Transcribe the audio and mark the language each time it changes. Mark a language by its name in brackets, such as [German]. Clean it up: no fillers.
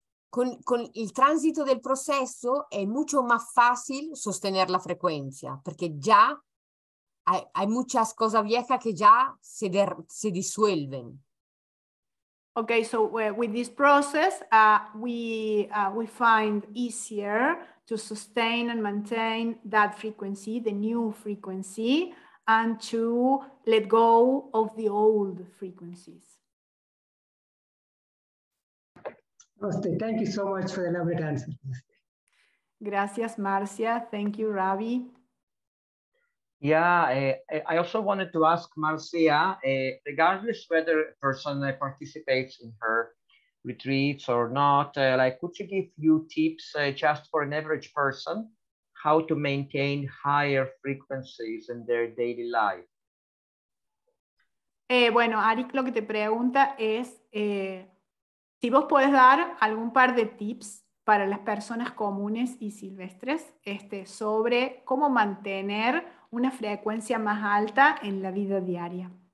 [Spanish] Con el tránsito del proceso es mucho más fácil sostener la frecuencia, porque ya hay muchas cosas viejas que ya se disuelven. [English] Okay, so with this process, we find easier to sustain and maintain that frequency, the new frequency, and to let go of the old frequencies. Thank you so much for the lovely answer. [Spanish] Gracias, [English] Marcia. Thank you, Ravi. Yeah, I also wanted to ask Marcia, regardless whether a person participates in her retreats or not, could she give you tips just for an average person how to maintain higher frequencies in their daily life? [Spanish] Bueno, Arik, lo que te pregunta es... si vos puedes dar algún par de tips para las personas comunes y silvestres sobre cómo mantener una frecuencia más alta en la vida diaria.